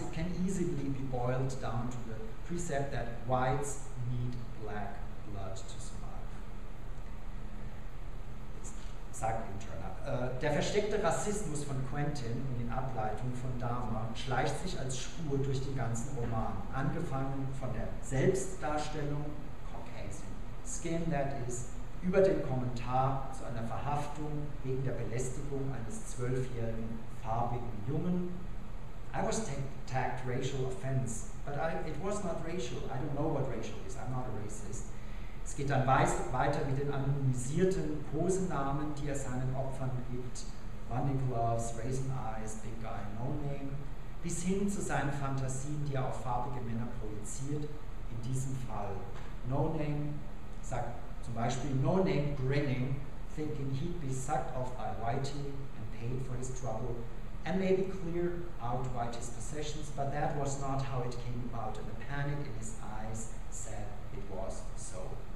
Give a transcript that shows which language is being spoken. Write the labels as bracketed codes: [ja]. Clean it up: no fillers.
[en] It can easily be boiled down to the precept that whites need black blood to survive. [de] Sagt ihm Turner. Der versteckte Rassismus von Quentin und in Ableitung von Dahmer schleicht sich als Spur durch den ganzen Roman. Angefangen von der Selbstdarstellung, [en] Caucasian Skin, that is, [de] über den Kommentar zu einer Verhaftung wegen der Belästigung eines 12-jährigen farbigen Jungen. [en] I was tagged racial offense, but it was not racial. I don't know what racial is. I'm not a racist. [de] Es geht dann weiter mit den anonymisierten Kosenamen, die er seinen Opfern gibt. Bunny Gloves, Raisin Eyes, Big Guy, No Name. Bis hin zu seinen Fantasien, die er auf farbige Männer projiziert. In diesem Fall No Name, [en] sagt zum Beispiel No Name grinning, thinking he'd be sucked off by Whitey and paid for his trouble and maybe clear out Whitey's possessions, but that was not how it came about and the panic in his eyes said it was so.